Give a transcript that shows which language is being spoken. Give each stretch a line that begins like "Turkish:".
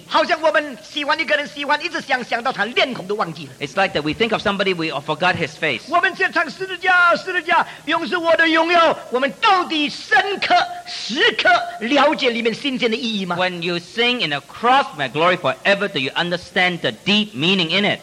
Chinese: 好像我们喜欢一个人喜欢,一直想,想到他脸孔都忘记了。
English: It's like that we think of somebody, we forgot his face.
Chinese: 我们先唱十字架,十字架,永是我的荣耀,我们到底深刻,时刻了解里面心间的意义吗?
English: When you sing in a cross my glory forever, do you understand the deep meaning in it?